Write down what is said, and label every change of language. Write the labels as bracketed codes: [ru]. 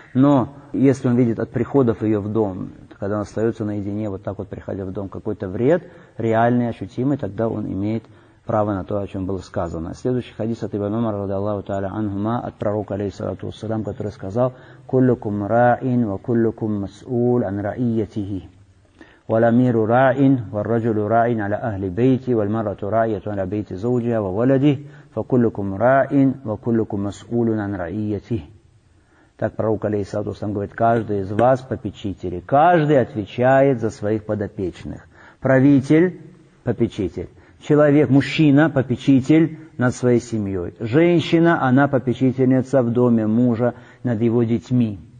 [ru] Но если он видит от приходов ее в дом, когда она остается наедине, вот так вот приходя в дом, какой-то вред реальный, ощутимый, тогда он имеет право на то, о чем было сказано. Следующий хадис от Ибн Умара, радиаллаху тааля анхума, от пророка, алейхиссалату вассалям, который сказал, [ar] «Куллюкум раин, ва куллюкум мас'ул ан раийятихи». والأمير راع والرجل راع على أهل بيتي والمرأة راعية على بيت زوجها وولده فكلكم راع وكلكم مسؤول عن رعيته. [ru] Так пророк алейхиссалям говорит, каждый из вас попечители, каждый отвечает за своих подопечных. Правитель, попечитель, человек, мужчина, попечитель над своей семьей. Женщина, она попечительница в доме мужа над его детьми.